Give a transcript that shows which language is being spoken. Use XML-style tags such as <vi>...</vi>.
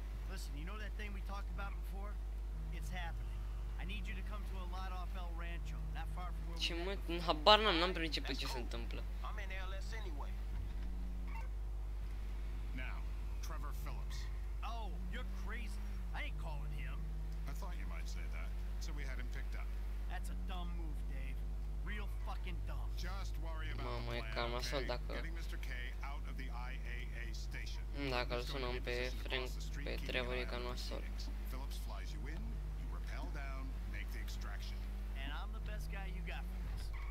<en>Listen, you know that thing we talked about before? It's happening. I need you to come to a lot off El Rancho, not far from where we're at.</en> <ro>Ce mă, habar n-am principiul ce se întâmplă.</ro> <en>I'm in LS anyway. Now, Trevor Phillips. Oh, you're crazy. I ain't calling him. I thought you might say that, so we had him picked up. That's a dumb move, Dave. Real fucking dumb. Just worry about the plan.</en> <ro>Mamă, e calm, așa dacă...</ro> <en>Getting Mr. K out of the IAA station.</en> <ro>Dacă îl sunăm pe Frank, pe Trevor, e calm, așa.</ro> <en>Phillips flies you in, you rappel down, make the extraction. And I'm the best guy you got for this.</en>